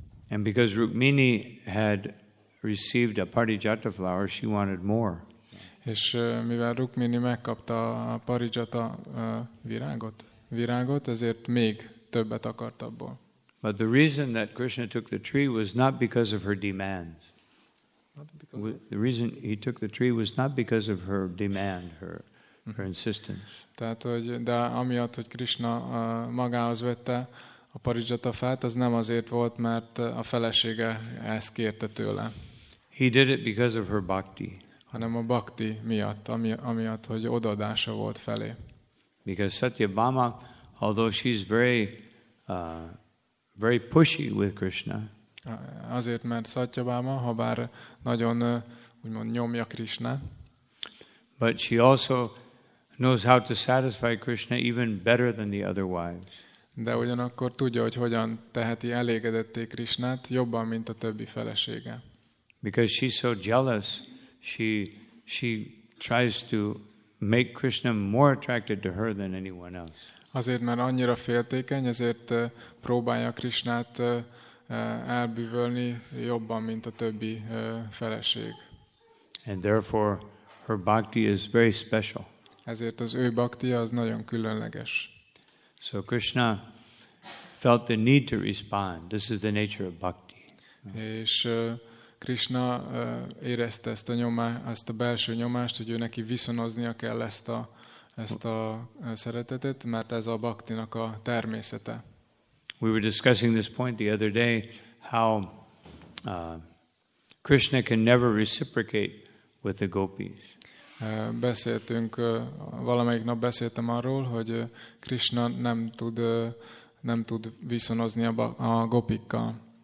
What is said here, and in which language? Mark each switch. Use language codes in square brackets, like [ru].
[en] And because Rukmini had received a parijata flower, she wanted more. [hu] És mivel Rukmini megkapta a parijata virágot, ezért még többet akart abból. [en] But the reason that Krishna took the tree was not because of her demands. The reason he took the tree was not because of her demand, her insistence. [hu] Tehát, hogy de amiatt, hogy Krishna magához vette a parizsata fát, az nem azért volt, mert a felesége ezt kérte tőle. [en] He did it because of her bhakti. [hu] Hanem a bhakti miatt, amiatt, hogy odaadása volt felé. [en] Because Satyabhama, although she's very very pushy with Krishna, [hu] azért, mert Satyabhama, ha bár nagyon úgymond nyomja Krishna, [en] but she also knows how to satisfy Krishna even better than the other wives. [hu] De ugyanakkor tudja, hogy hogyan teheti elégedetté Krishnát jobban, mint a többi felesége. [en] Because she's so jealous, she tries to make Krishna more attracted to her than anyone else. [hu] Azért, mert annyira féltékeny, ezért próbálja Krishnát elbűvölni jobban, mint a többi feleség. [en] And therefore her bhakti is very special. [hu] Ezért az ő bhakti az nagyon különleges. [en] So Krishna felt the need to respond. This is the nature of bhakti. [hu] És Krishna érezte ezt a ezt a belső nyomást, hogy ő neki viszonoznia kell ezt a szeretetet, mert ez a bhaktinak a természete. [en] We were discussing this point the other day, how Krishna can never reciprocate with the gopis. [hu] Beszéltünk valamelyik nap beszéltem arról, hogy Krishna nem tud viszonozni a gopikkal.